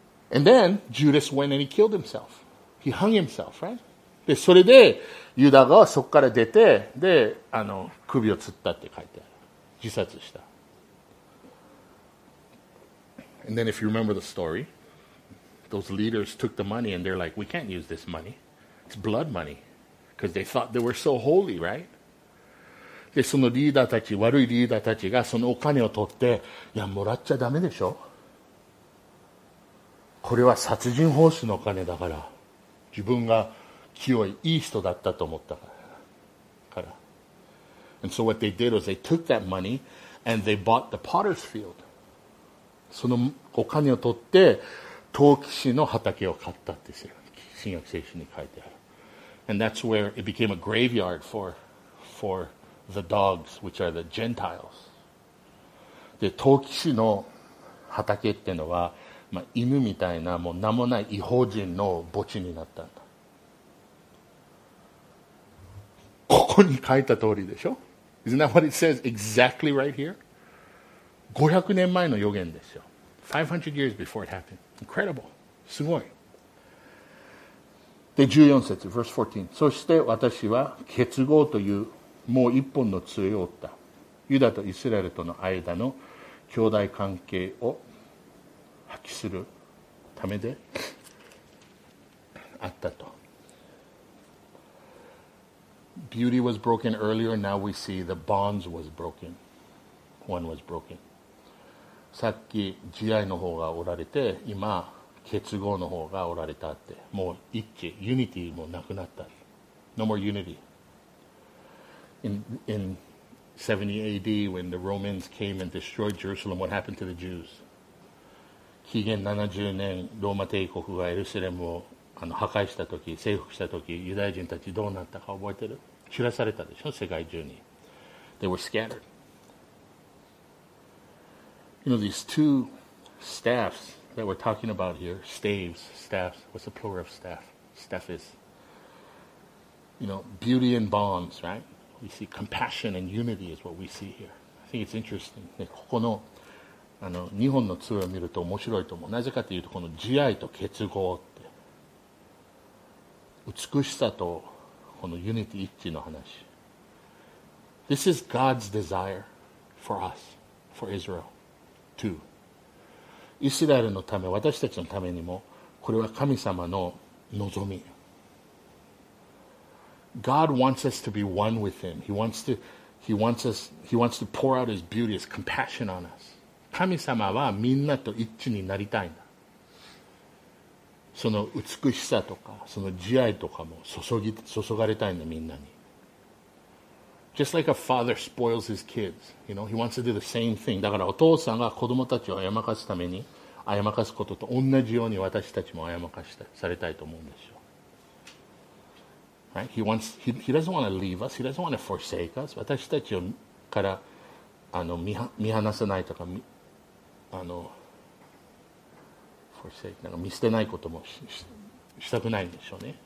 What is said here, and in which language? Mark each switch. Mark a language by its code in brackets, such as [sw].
[en] And then Judas went and he killed himself. He hung himself, right? [ja] で、それでユダがそこから出て、で、あの、首を吊ったって書いてある。自殺した。 [en] And then if you remember the story, those leaders took the money and they're like, we can't use this money. It's blood money. Because they thought they were so holy, right? [ja] で、そのリーダーたち、悪いリーダーたちがそのお金を取って、いや、もらっちゃダメでしょ、これは殺人報酬のお金だから、自分が清い、いい人だったと思ったから。 [en] And so what they did was they took that money and they bought the potter's field. [ja] そのお金を取って陶器師の畑を買ったって、新約聖書に書いてある。 [en] And that's where it became a graveyard for the dogs, which are the Gentiles. [ja] で、陶器師の畑っていうのは、まあ、犬みたいな、もう名もない異邦人の墓地になったんだ。ここに書いた通りでしょ？ [en] Isn't that what it says exactly right here? [ja] 500年前の予言ですよ。 [en] 500 years before it happened. Incredible. [ja] すごい。で、14節、 [en] verse 14. [ja] そして私は結合というもう一本の杖を折った。ユダとイスラエルとの間の兄弟関係を破棄するためであったと。 [en] Beauty was broken earlier, now we see the bonds was broken. One was broken. [ja] さっき慈愛の方がおられて、今結合の方がおられたって。もう一致、ユニティもなくなった。 [en] No more unity. In 70 AD, when the Romans came and destroyed Jerusalem, what happened to the Jews? [ja] 紀元70年、ローマ帝国がエルサレムをあの破壊したとき、征服したとき、ユダヤ人たちどうなったか覚えてる？散らされたでしょ、世界中に。 [en] They were scattered. You know, these two staffs that we're talking about here, staves, staffs, what's the plural of staff? Staff is, you know, beauty and bonds, right? We see compassion and unity is what we see here. I think it's interesting. [ja] ここの、あの、日本の杖を見ると面白いと思う。なぜかというと、この慈愛と結合って。美しさとこのユニティ一致の話。 [en] This is God's desire for us, for Israel, too. [ja] イスラエルのため、私たちのためにも、これは神様の望み。 [en] God wants us to be one with Him. He wants to pour out His beauty, His compassion on us. [ja] 神様はみんなと一致になりたいんだ。その美しさとか、その慈愛とかも注がれたいんだ、みんなに。 [en] Just like a father spoils his kids, you know, he wants to do the same thing. [ja] だからお父さんが子供たちを甘やかすために、甘やかすことと同じように私たちも甘やかしたされたいと思うんですよ。 [en] Right? He doesn't want to leave us. He doesn't want to forsake us. [ja] 私たちから見放さないとか、forsake、なんか見捨てないこともしたくないんでしょうね。